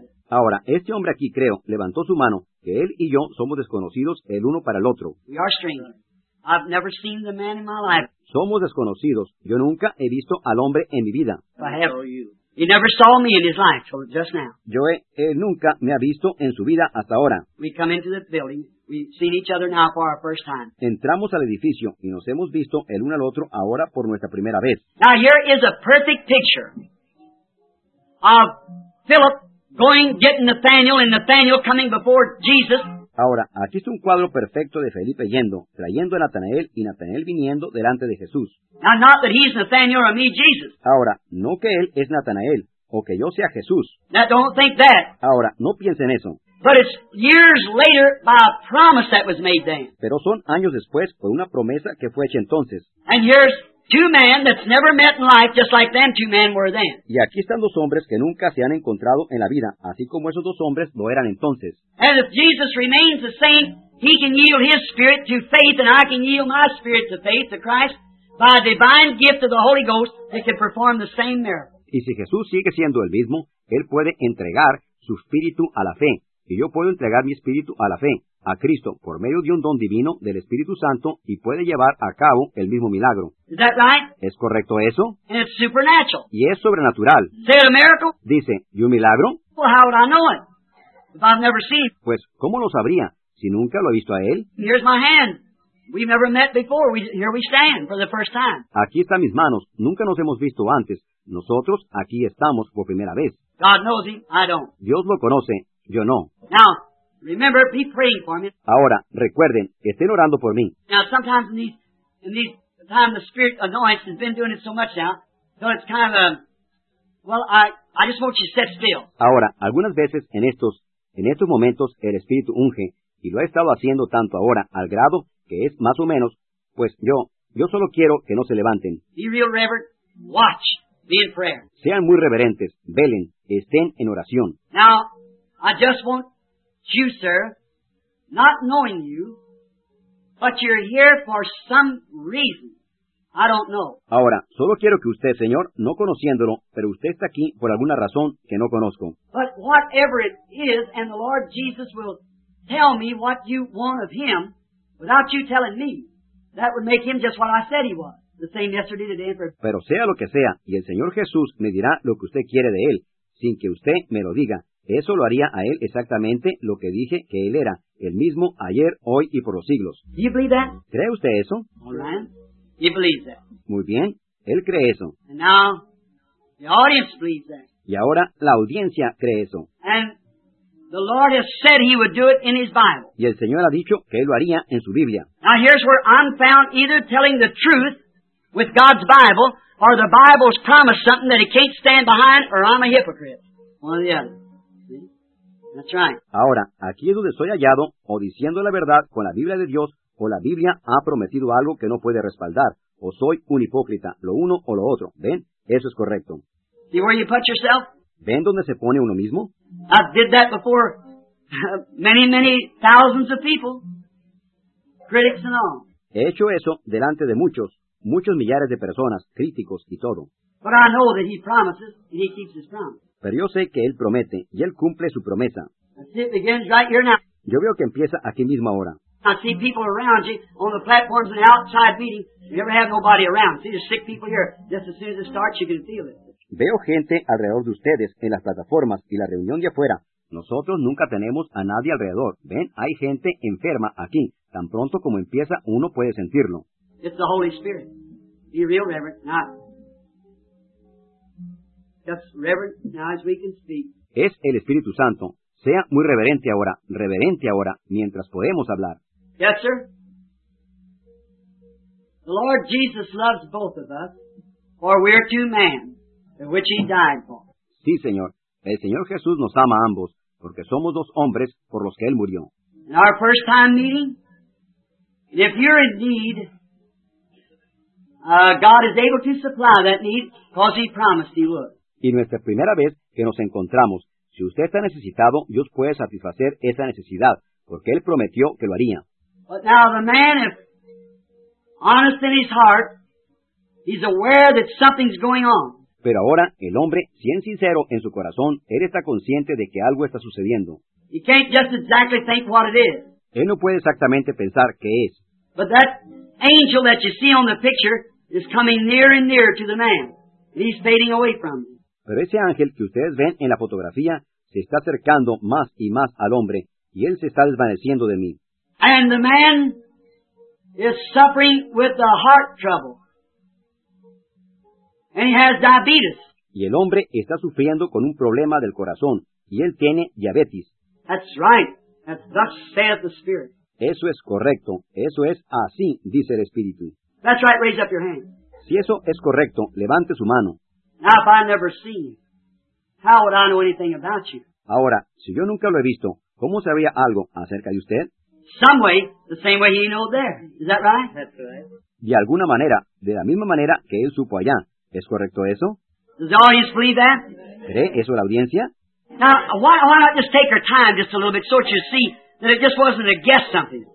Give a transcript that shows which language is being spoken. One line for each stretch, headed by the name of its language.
Spanish: Ahora, este hombre aquí, creo, levantó su mano que él y yo somos desconocidos el uno para el otro.
English: We are strangers. I've never seen the man in my life.
Spanish: Somos desconocidos. Yo nunca he visto al hombre en mi vida.
English: He never saw me in his life till just now.
Spanish: Él nunca me ha visto en su vida hasta ahora.
English: We come into the building. We've seen each other now for our first time.
Spanish: Entramos al edificio y nos hemos visto el uno al otro ahora por nuestra primera vez.
English: Now here is a perfect picture of Philip going getting Nathaniel and Nathaniel coming before Jesus.
Spanish: Ahora, aquí está un cuadro perfecto de Felipe yendo, trayendo a Natanael y Natanael viniendo delante de Jesús.
English: Now, not that he's Nathaniel or me, Jesus.
Spanish: Ahora, no que él es Natanael o que yo sea Jesús.
English: Now, don't think that.
Spanish: Ahora, no piensen eso.
English: But it's years later by a promise that was made then.
Spanish: Pero son años después por una promesa que fue hecha entonces.
English: And here's two men that's never met in life, just like them two men were then.
Spanish: Y aquí están dos hombres que nunca se han encontrado en la vida, así como esos dos hombres lo eran entonces.
English: And if Jesus remains the same, he can yield his spirit to faith, and I can yield my spirit to faith to Christ by a divine gift of the Holy Ghost that can perform the same miracle.
Spanish: Y si Jesús sigue siendo el mismo, él puede entregar su espíritu a la fe. Y yo puedo entregar mi espíritu a la fe, a Cristo, por medio de un don divino del Espíritu Santo, y puede llevar a cabo el mismo milagro.
English: Is that right?
Spanish: ¿Es correcto eso?
English: And it's supernatural.
Spanish: Y es sobrenatural.
English: Is that a miracle?
Spanish: Dice, ¿y un milagro?
English: Well, how would I know it if I've never seen it?
Spanish: Pues, ¿cómo lo sabría si nunca lo he visto a él?
English: Here's my hand. We've never met before. Here we stand for the first time.
Spanish: Aquí están mis manos. Nunca nos hemos visto antes. Nosotros aquí estamos por primera vez.
English: God knows him. I don't.
Spanish: Dios lo conoce. Yo no.
English: Now, remember, be praying for me.
Spanish: Ahora, recuerden, estén orando por mí.
English: Now, sometimes in these times the Spirit anoints has been doing it so much now, so it's kind of a, well, I just want you to sit still.
Spanish: Ahora, algunas veces en estos momentos el Espíritu unge y lo ha estado haciendo tanto ahora al grado que es más o menos, pues yo solo quiero que no se levanten.
English: Be real reverent. Watch. Be in prayer.
Spanish: Sean muy reverentes. Velen. Estén en oración.
English: Now, I just want you, sir, not knowing you, but you're here for some reason. I don't know.
Spanish: Ahora, solo quiero que usted, señor, no conociéndolo, pero usted está aquí por alguna razón que no conozco.
English: But whatever it is, and the Lord Jesus will tell me what you want of him without you telling me, that would make him just what I said he was, the same yesterday, today, and forever.
Spanish: Pero sea lo que sea, y el Señor Jesús me dirá lo que usted quiere de él, sin que usted me lo diga. Eso lo haría a él exactamente lo que dije que él era, el mismo ayer, hoy y por los siglos.
English: You believe that?
Spanish: ¿Cree usted eso?
English: All right. He believes that.
Spanish: Muy bien, él cree eso.
English: And now, the audience believes that.
Spanish: Y ahora la audiencia cree eso.
English: And the Lord has said he would do it in his Bible.
Spanish: Y el Señor ha dicho que él lo haría en su Biblia.
English: Now here's where I'm found either telling the truth with God's Bible, or the Bible's promised something that he can't stand behind, or I'm a hypocrite. One or the other. That's right.
Spanish: Ahora, aquí es donde soy hallado, o diciendo la verdad con la Biblia de Dios, o la Biblia ha prometido algo que no puede respaldar, o soy un hipócrita, lo uno o lo otro. ¿Ven? Eso es correcto.
English: See where you put yourself?
Spanish: ¿Ven dónde se pone uno mismo?
English: I did that before many, many thousands of people, critics and all.
Spanish: He hecho eso delante de muchos, muchos millares de personas, críticos y todo.
English: But I know that he promises, and he keeps his promise.
Spanish: Pero yo sé que él promete, y él cumple su promesa.
English: I see it begins right here now.
Spanish: Yo veo que empieza aquí mismo ahora.
English: I see people around you on the platforms and outside meetings. You never have nobody around. See, there's sick people here. Just as soon as it starts, you can feel it.
Spanish: Veo gente alrededor de ustedes en las plataformas y la reunión de afuera. Nosotros nunca tenemos a nadie alrededor. Ven, hay gente enferma aquí. Tan pronto como empieza, uno puede sentirlo.
English: It's the Holy Spirit. Be real, Reverend. Not. Just reverent now as we can speak.
Spanish: Es el Espíritu Santo. Sea muy reverente ahora, mientras podemos hablar.
English: Yes, sir. The Lord Jesus loves both of us, for we are two men, of which he died for.
Spanish: Sí, Señor. El Señor Jesús nos ama a ambos, porque somos dos hombres por los que él murió.
English: In our first time meeting, and if you're in need, God is able to supply that need, because he promised he would.
Spanish: Y nuestra primera vez que nos encontramos, si usted está necesitado, Dios puede satisfacer esa necesidad, porque Él prometió que lo haría.
English: But now the man is honest in his heart, he's aware that something's going on.
Spanish: Pero ahora, el hombre, si es sincero en su corazón, él está consciente de que algo está sucediendo.
English: He can't just exactly think what it is.
Spanish: Él no puede exactamente pensar qué es.
English: But that angel that you see on the picture is coming nearer and nearer to the man. He's fading away from him.
Spanish: Pero ese ángel que ustedes ven en la fotografía se está acercando más y más al hombre, y él se está desvaneciendo de mí.
English: And the man is suffering with the heart trouble. And he has diabetes.
Spanish: Y el hombre está sufriendo con un problema del corazón, y él tiene diabetes.
English: That's right. A thus saith the Spirit.
Spanish: Eso es correcto. Eso es así, dice el Espíritu.
English: That's right. Raise up your hand.
Spanish: Si eso es correcto, levante su mano.
English: Now, if I never see you, how would I know anything about you?
Spanish: Ahora, si yo nunca lo he visto, ¿cómo sabría algo acerca de usted?
English: Some way, the same way he knew there. Is that right? That's right.
Spanish: De alguna manera, de la misma manera que él supo allá. ¿Es correcto eso?
English: Does the audience believe that?
Spanish: ¿Cree eso la audiencia?
English: Now, why not just take our time just a little bit so that you see that it just wasn't to guess something?